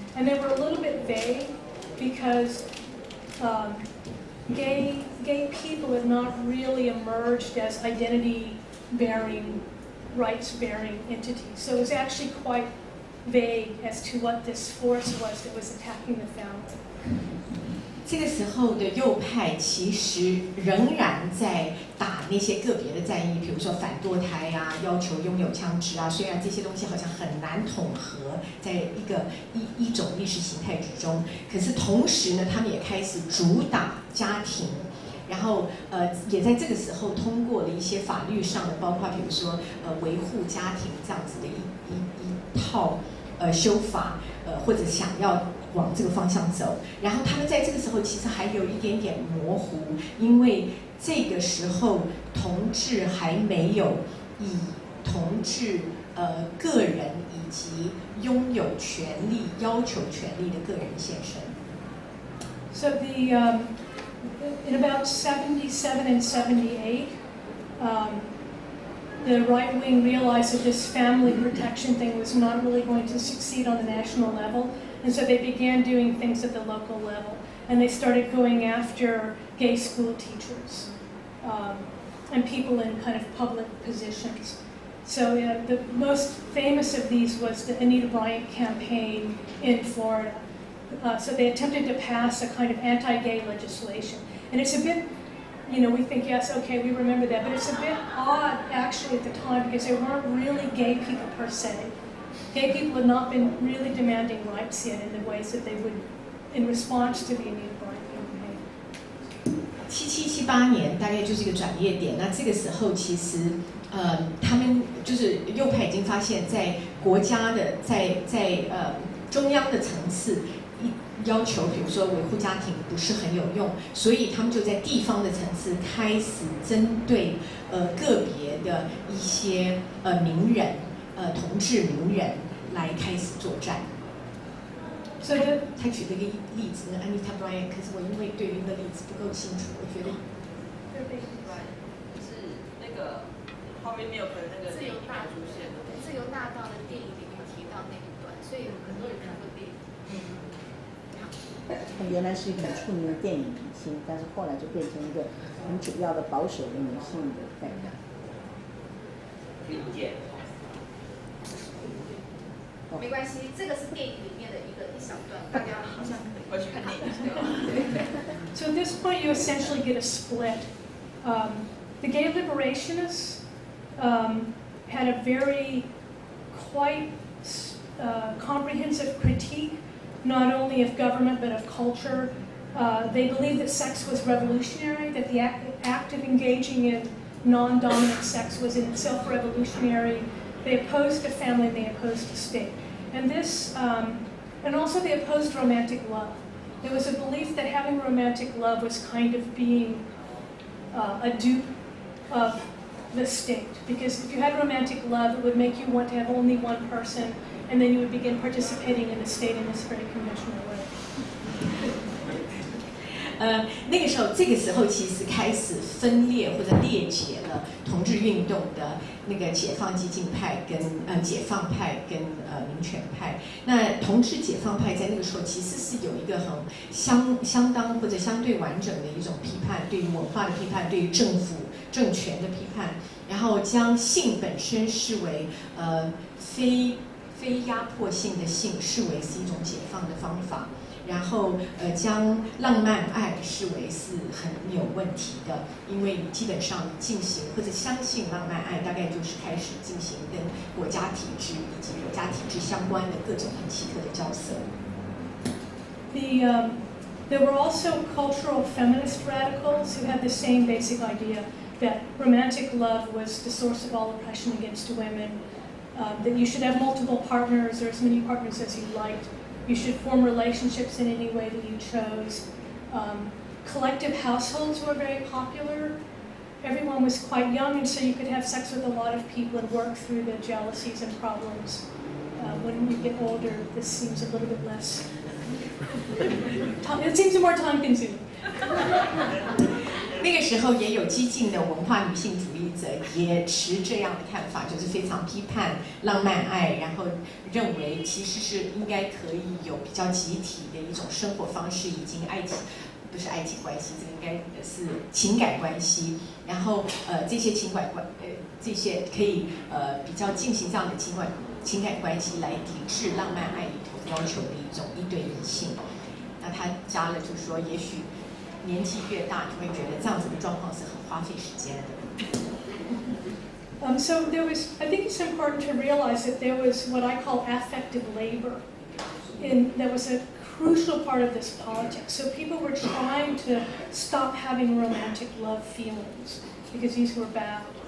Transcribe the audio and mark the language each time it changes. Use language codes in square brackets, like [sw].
[en] And they were a little bit vague because gay people had not really emerged as identity-bearing. Rights-bearing entity, so it was actually quite vague as to what this force was that was attacking the family. [zh] 这个时候的右派其实仍然在打那些个别的战役，比如说反堕胎啊，要求拥有枪支啊。虽然这些东西好像很难统合在一种意识形态之中，可是同时呢，他们也开始主打家庭。然后也在这个时候通过了一些法律上的，包括比如说维护家庭这样子的一套修法，或者想要往这个方向走。然后他们在这个时候其实还有一点点模糊，因为这个时候同志还没有以同志个人以及拥有权利、要求权利的个人现身。 [en] So the In about 77 and 78, the right wing realized that this family protection thing was not really going to succeed on the national level, and so they began doing things at the local level, and they started going after gay school teachers and people in kind of public positions. So the most famous of these was the Anita Bryant campaign in Florida. So they attempted to pass a kind of anti-gay legislation. And it's a bit, you know, we think, yes, okay, we remember that, but it's a bit odd, actually, at the time, because there weren't really gay people, per se. Gay people had not been really demanding rights yet in the ways that they would, in response to the Anita Bryant campaign. [zh] 77-78年大概就是一个转捩点，那这个时候其实他们就是右派已经发现在国家的在中央的层次要求比如说维护家庭不是很有用，所以他们就在地方的层次开始针对个别的一些名人同志名人来开始作战。所以他举了一个例子，那 Anita Bryant， 可是我因为对于那个例子不够清楚，我觉得是那个后面没有和那个自由大道的电影里面提到那一段，所以所以很多人看过电影。他原来是一个出名的电影明星，但是后来就变成一个很主要的保守的女性的代表。听不见。没关系，这个是电影里面的一小段，大家好像快去看电影。 [en] So at this point, you essentially get a split. The gay liberationists had a very quite comprehensive critique. Not only of government, but of culture. They believed that sex was revolutionary, that the act of engaging in non-dominant sex was in itself revolutionary. They opposed the family, and they opposed the state. And this, and also they opposed romantic love. There was a belief that having romantic love was kind of being a dupe of the state, because if you had romantic love, it would make you want to have only one person,and then you would begin participating in the state in this very conventional way. [zh] 那个时候，这个时候其实开始分裂或者裂解了同志运动的那个解放激进派跟解放派跟民权派。那同志解放派在那个时候其实是有一个很相当或者相对完整的一种批判，对于文化的批判，对于政府政权的批判，然后将性本身视为非压迫性的性视为是一种解放的方法，然后将浪漫爱视为是很有问题的，因为基本上进行或者相信浪漫爱，大概就是开始进行跟国家体制以及国家体制相关的各种很奇特的角色。 [en] There were also cultural feminist radicals who had the same basic idea that romantic love was the source of all oppression against women. That you should have multiple partners or as many partners as you liked. You should form relationships in any way that you chose. Collective households were very popular. Everyone was quite young, and so you could have sex with a lot of people and work through the jealousies and problems. When you get older, this seems a little bit less... it seems more time-consuming. [zh] 那个时候也有激进的文化女性主义者也持这样的看法，就是非常批判浪漫爱，然后认为其实是应该可以有比较集体的一种生活方式，已经爱情不是爱情关系，这个应该是情感关系，然后这些情感关这些可以比较进行这样的情感关系来抵制浪漫爱里头要求的一种一对一性。那他加了就是说也许年纪越大就会觉得这样子的状况是很花费时间的。 [en] So there was, I think it's important to realize that there was what I call affective labor, and that was a crucial part of this politics. So people were trying to stop having romantic love feelings because these were bad.